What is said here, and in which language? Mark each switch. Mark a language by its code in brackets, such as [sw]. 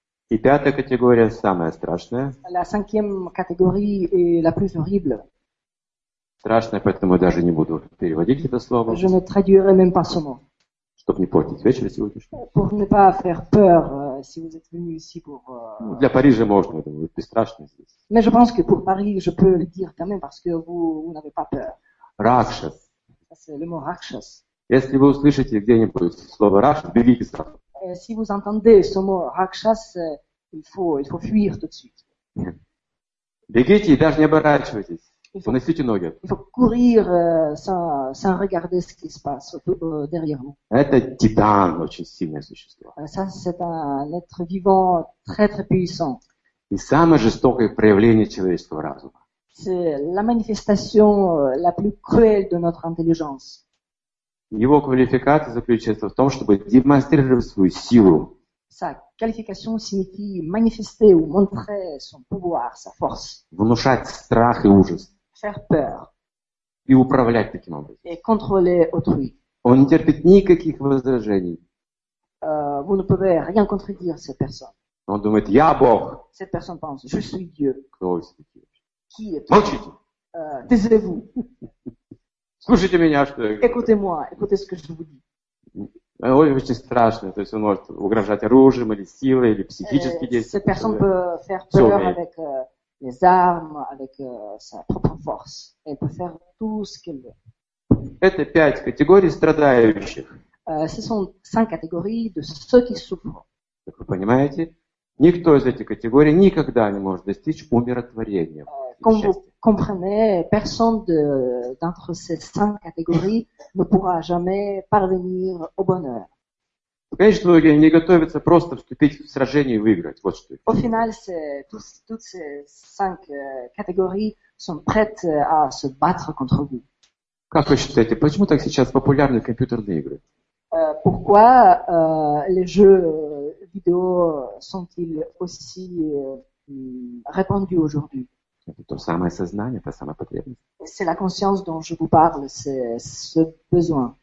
[ru] И пятая категория самая страшная. [fr] La cinquième catégorie est la plus horrible. [ru] Страшная, поэтому я даже не буду переводить это слово. [fr] Je ne traduirai même pas ce mot. [ru] Чтобы не портить вечер сегодняшний. [fr] Pour ne pas faire peur, si vous êtes venu ici pour. [ru] Для Парижа можно, это будет бесстрашно здесь. [fr] Mais je pense que pour Paris, je peux le dire quand même, parce que vous n'avez pas peur. [ru] Ракшас. [fr] C'est le mot ракшас. [ru] Если вы услышите где-нибудь слово ракшас, бегите сразу. [fr] Si vous entendez ce mot ракшас, il faut fuir tout de suite. [ru] Бегите и даже не оборачивайтесь. Поносите ноги. [fr] Il faut courir sans regarder ce qui se passe derrière vous. [ru] Это титан, очень сильное существо. [fr] Ça, c'est un être vivant très très puissant. [ru] И самое жестокое проявление человеческого разума. [fr] C'est la manifestation la plus cruelle de notre intelligence. [ru] Его квалификация заключается в том, чтобы демонстрировать свою силу. [fr] Sa qualification signifie manifester ou montrer son pouvoir, sa force. [ru] Внушать страх и ужас. [fr] Faire peur. [ru] И управлять таким образом. [fr] Et contrôler autrui. [ru] Он не терпит никаких возражений. [fr] Vous ne pouvez rien contredire cette personne. [ru] Он думает, я Бог. [fr] Cette personne pense, je suis Dieu. [ru] Кто вы все-таки? [fr] Qui est-ce? [ru] Молчите. [fr] Taisez-vous. [ru] Слушайте меня, что я говорю. [fr] Écoutez-moi, écoutez ce que je vous dis. [ru] Очень страшно, то есть он может угрожать оружием или силой, или психически действовать. [fr] Cette personne peut faire peur avec les armes, avec sa propre force. Elle peut faire tout ce qu'elle veut. [ru] Это пять категорий страдающих. [fr] Ce sont cinq catégories de ceux qui souffrent. [ru] Как вы понимаете, никто из этих категорий никогда не может достичь умиротворения. [fr] Comme vous comprenez, personne d'entre ces cinq catégories ne pourra jamais parvenir au bonheur. [ru] Конечно, многие не готовятся просто вступить в сражение и выиграть. Вот что. [fr] Au final, toutes ces cinq catégories sont prêtes à se battre contre vous. [ru] Как вы считаете, почему так сейчас популярны компьютерные игры? [fr] Pourquoi les jeux vidéo sont-ils aussi répandus aujourd'hui? [ru] Это то самое сознание, та самая потребность. [fr] C'est la conscience dont je vous parle, c'est ce besoin.